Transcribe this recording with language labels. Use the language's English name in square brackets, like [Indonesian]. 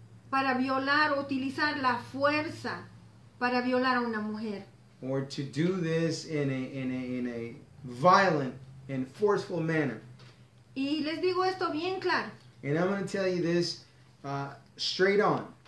[Spanish] Para violar, utilizar la fuerza para violar a una mujer. [English] or to do this in a violent and forceful manner. [Spanish] Y les digo esto bien claro. [English] And I'm going to tell you this straight on.